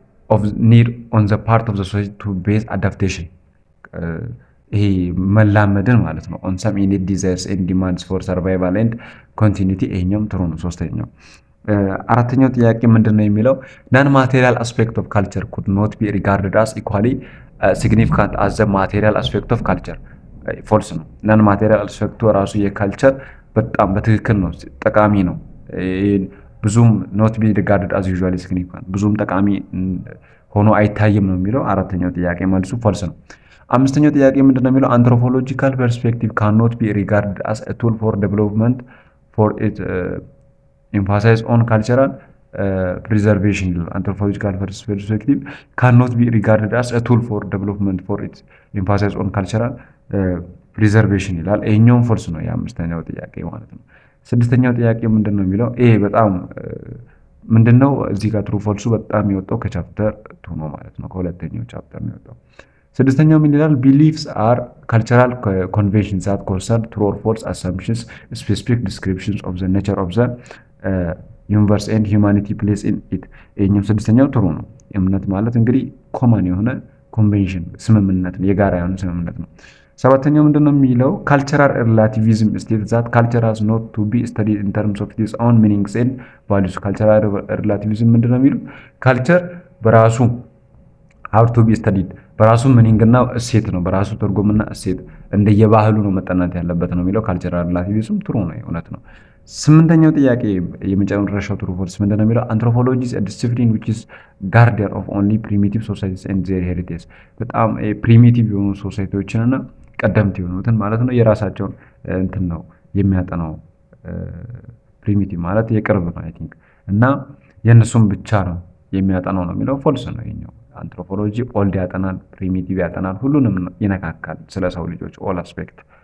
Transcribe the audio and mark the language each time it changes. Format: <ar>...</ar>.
<en>of need on the part of the society to base adaptation he</en> <am>መላመድን ማለት ነው</am> <en>on some need desires and demands for survival and continuity</en> <am>እኛም ትሩ ነው። ሶስተኛው አራተኛው ጥያቄ ምንድነው የሚለው?</am> <en>non material aspect of culture could not be regarded as equally significant as the material aspect of culture.</en> <am>false ነው።</am> <en>non material aspect</en> <am>ራሱ የካልቸር በጣም በትክክል ነው ጠቃሚ ነው። ብዙም</am> <en>not be regarded as usually significant</en> <am>ብዙም ጠቃሚ ሆኖ አይታየም ነው የሚለው አራተኛው ጥያቄ መልሱ ፎልስ ነው። አምስተኛው ጥያቄ ምንድን ነው የሚለው?</am> <en>anthropological perspective cannot be regarded as a tool for development for it emphasize on cultural preservation. anthropological perspective cannot be regarded as a tool for development for it emphasize on cultural preservation</en> <am>ይላል። ይሄኛውም ፎልስ ነው የአምስተኛው ጥያቄ ማለት ነው። ስድስተኛው ጥያቄ ምንድነው የሚለው? ይሄ በጣም ምንድነው እዚህ ጋር ትሩ ፎልሱ በጣም የሚወጣው ከቻፕተር 2 ነው ማለት ነው። ከሁለተኛው ቻፕተር ነው የሚወጣው። ስድስተኛው ምን ይላል?</am> <en>beliefs are cultural conventions that concern true or false assumptions specific descriptions of the nature of the universe and humanity place in it.</en> <am>ይሄኛው ስድስተኛው ትሩ ነው። እምነት ማለት እንግዲህ ኮማን የሆነ convention ስምምነት ነው፣ የጋራ የሆነ ስምምነት ነው። ሰባተኛው ምንድነው የሚለው?</am> <en>cultural relativism states that culture has not to be studied in terms of its own meanings and values.</en> <am>cultural relativism ምንድነው የሚለው? culture በራሱ</am> <en>have to be studied</en> <am>በራሱ meaning እና እሴት ነው በራሱ ትርጉም እና እሴት እንደየባህሉ ነው መጠናት ያለበት ነው የሚለው። cultural relativism ትሩ ነው፣ እውነት ነው። ስምንተኛው ጥያቄ የመጨረሻው ትሩ ፎልስ ምንድነው የሚለው?</am> <en>anthropology is a discipline which is guardian of only primitive societies and their heritages.</en> <am>በጣም primitive የሆኑ societies እና ቀደምት የሆኑትን ማለት ነው የራሳቸውን እንትን ነው የሚያጠናው። primitive ማለት የቅርብ ነው አይ ቲንክ እና የነሱም ብቻ ነው የሚያጠናው ነው የሚለው። ፎልስ ነው ይሄኛው።</am> <en>anthropology old</en> <am>ያጠናል primitive ያጠናል ሁሉንም ይነካካል ስለ ሰው ልጆች</am> <en>all aspect.</en>